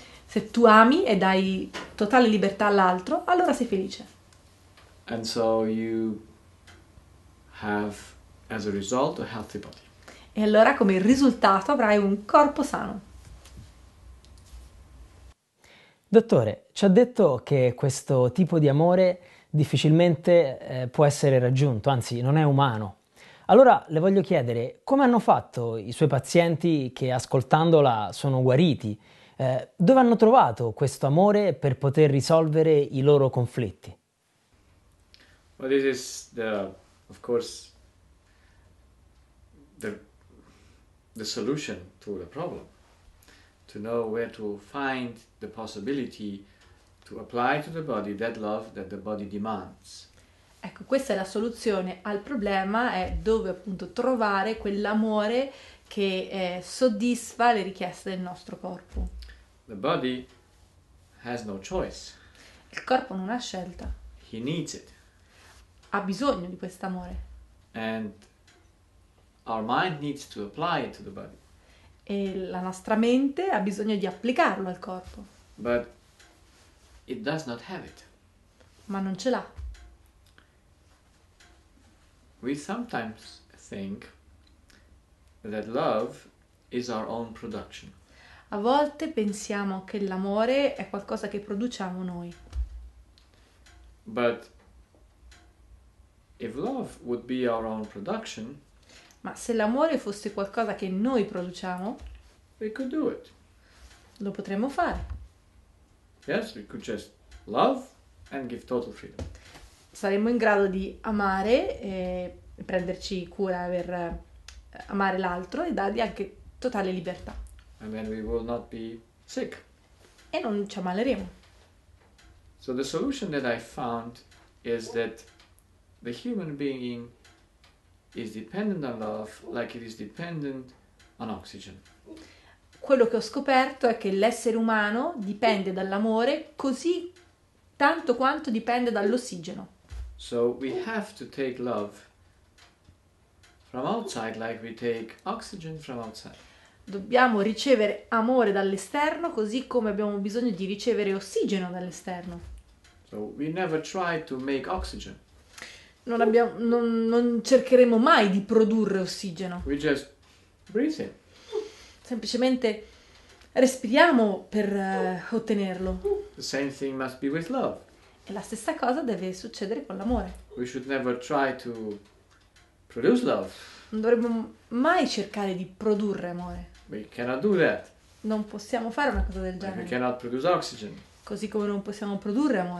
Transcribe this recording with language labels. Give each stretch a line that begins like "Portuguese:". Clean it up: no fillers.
Italian: Se tu ami e dai totale libertà all'altro, allora sei felice.
English: And so you have, as a result, a healthy body.
Italian: E allora come risultato avrai un corpo sano. Dottore, ci ha detto che questo tipo di amore difficilmente può essere raggiunto, anzi non è umano. Allora le voglio chiedere, come hanno fatto i suoi pazienti che ascoltandola sono guariti? Dove hanno trovato questo amore per poter risolvere i loro conflitti?
English: Well, this is the, of course, the solution to the problem. To know where to find the possibility to apply to the body that love that the body demands.
Italian: Ecco, questa è la soluzione al problema, è dove appunto trovare quell'amore che soddisfa le richieste del nostro corpo.
English: The body has no choice.
Italian: Il corpo non ha scelta.
English: He needs it.
Italian: Ha bisogno di quest'amore.
English: And our mind needs to apply it to the body.
Italian: E la nostra mente ha bisogno di applicarlo al corpo.
English: But it does not have it.
Italian: Ma non ce l'ha.
English: We sometimes think that love is our own production.
Italian: A volte pensiamo che l'amore è qualcosa che produciamo noi.
English: But if love would be our own production,
Italian: ma se l'amore fosse qualcosa che noi produciamo,
English: we could do it.
Italian: Lo potremmo fare.
English: Yes, we could just love and give total freedom.
Italian: Saremmo in grado di amare e prenderci cura per amare l'altro e dargli anche totale libertà.
English: And then we will not be sick.
Italian: E non ci ammaleremo.
English: So the solution that I found is that the human being is dependent on love like it is dependent on oxygen.
Italian: Quello che ho scoperto è che l'essere umano dipende dall'amore così tanto quanto dipende dall'ossigeno.
English: So we have to take love from outside like we take oxygen from outside.
Italian: Dobbiamo ricevere amore dall'esterno così come abbiamo bisogno di ricevere ossigeno dall'esterno.
English: So we never try to make oxygen.
Italian: Non cercheremo mai di produrre ossigeno.
English: We just breathe in.
Italian: Semplicemente respiriamo per ottenerlo.
English: The same thing must be with love.
Italian: E la stessa cosa deve succedere con l'amore.
English: We should never try to produce love.
Italian: Non dovremmo mai cercare di produrre
English: We cannot do that.
Italian: amore. Non possiamo fare una cosa del
English: Like we cannot produce oxygen.
Italian: Così come non possiamo produrre